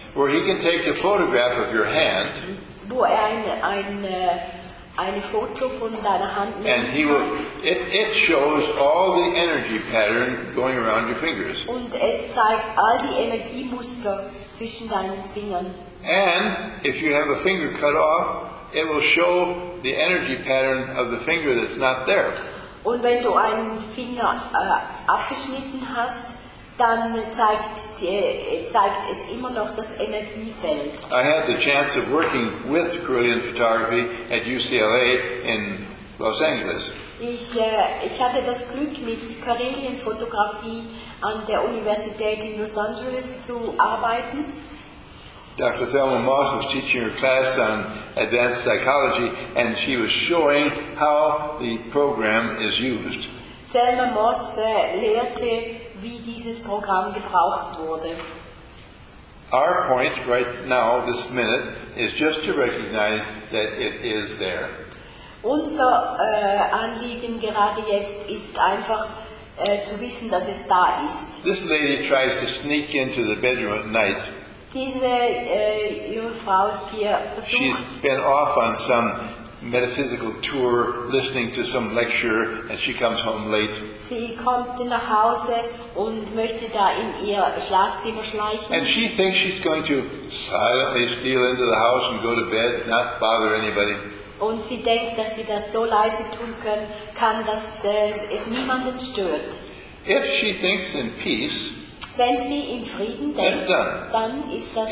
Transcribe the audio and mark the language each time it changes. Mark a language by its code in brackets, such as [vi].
[en] Where he can take a photograph of your hand. [de] Wo eine Foto von deiner Hand nimmt. [en] And it shows all the energy pattern going around your fingers. [de] Und es zeigt all die Energiemuster zwischen deinen Fingern. [en] And if you have a finger cut off, it will show the energy pattern of the finger that's not there. [de] Und wenn du einen Finger abgeschnitten hast, dann zeigt es immer noch das Energiefeld. [en] I had the chance of working with Karelian photography at UCLA in Los Angeles. [de] Ich hatte das Glück, mit Karelian Fotografie an der Universität in Los Angeles zu arbeiten. [en] Dr. Thelma Moss was teaching her class on advanced psychology, and she was showing how the program is used. [de] Thelma Moss lehrte, wie dieses Programm gebraucht wurde. [en] Our point right now, this minute, is just to recognize that it is there. [de] Unser Anliegen gerade jetzt ist einfach, zu wissen, dass es da ist. [en] This lady tries to sneak into the bedroom at night. [de] Diese junge Frau hier versucht. [en] She's been off on some metaphysical tour, listening to some lecture, and she comes home late. [de] Sie kommt nach Hause und möchte da in ihr Schlafzimmer schleichen. [en] And she thinks she's going to silently steal into the house and go to bed, not bother anybody. [de] Und sie denkt, dass sie das so leise tun kann, dass es niemanden stört. [en] If she thinks in peace. [de] Wenn sie in Frieden denkt, dann ist das